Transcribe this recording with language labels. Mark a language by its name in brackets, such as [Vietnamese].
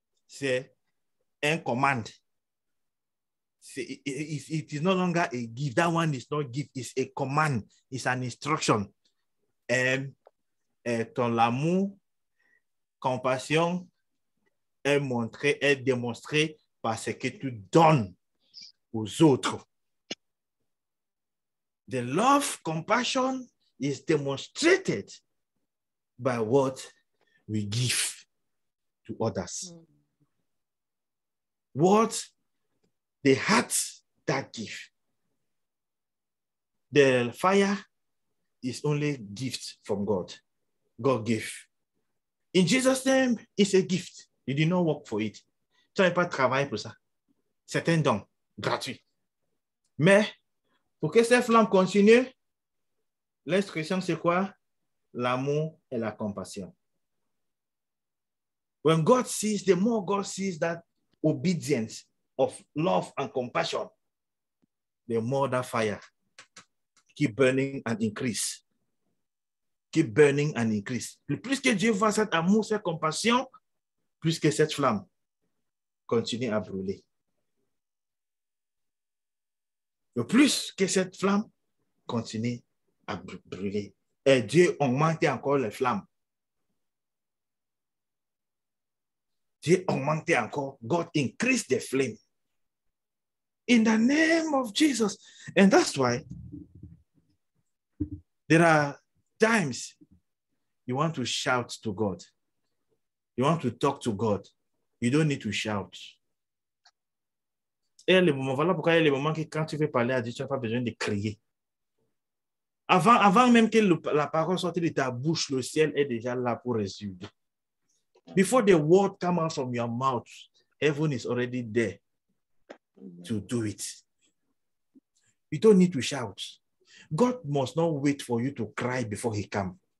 [French] C'est un commande. [English] It is no longer a gift. That one is not a gift. It's a command. It's an instruction. [French] Et ton amour, compassion, est montré, est démontré par ce que tu donnes aux autres. [English] The love, compassion is demonstrated by what we give to others. What the heart that gives. The fire is only gift from God. God gave. In Jesus' name, it's a gift. You did not work for it. [French] Tu n'as pas travaillé pour ça. C'est un don gratuit. Mais pour que cette flamme continue, l'instruction c'est quoi? L'amour et la compassion. [English] When God sees, the more God sees that obedience of love and compassion, the more that fire keep burning and increase. Keep burning and increase. [French] Le plus que Dieu voit cet amour, cette compassion, plus que cette flamme continue à brûler. Le plus que cette flamme continue à brûler. Et Dieu augmente encore les flammes. Dieu augmente encore. [English] God increase the flame. In the name of Jesus. And that's why there are times you want to shout to God. You want to talk to God. You don't need to shout. [French] Et le moment, voilà pourquoi il y a le moment que quand tu veux parler à Dieu, tu n'as pas besoin de crier. Avant même que la parole sorte de ta bouche, le ciel est déjà là pour résoudre. [English] Before the word comes out from your mouth, heaven is already there to do it. You don't need to shout. God must not wait for you to cry before he comes.